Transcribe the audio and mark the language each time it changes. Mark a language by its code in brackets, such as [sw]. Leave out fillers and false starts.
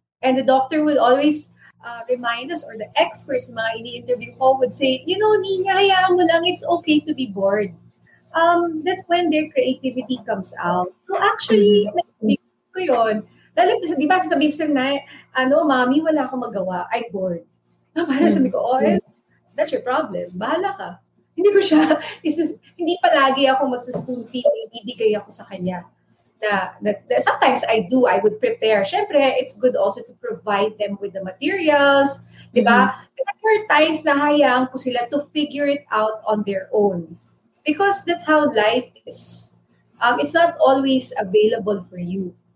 [en] And the doctor will always remind us, or the experts [tl] mga ini-interview ko [en] would say, you know, Nina, [tl] hayaan mo lang, [en] it's okay to be bored. that's when their creativity comes out. So actually, [tl] nag-bigot ko yun. Lalo, di ba, sabi ko sa'yo na, ano, mommy, wala akong magawa. [en] I'm bored. So, [tl] parang sabi ko, [en] oh, that's your problem. [tl] Bahala ka. Hindi ko siya, hindi palagi ako magsa-spoon feed, ibibigay ako sa kanya. [en] That sometimes I do, I would prepare. Siyempre, it's good also to provide them with the materials, di ba? But there are times [tl] na hayaan ko sila [en] to figure it out on their own. Because that's how life is. It's not always available for you.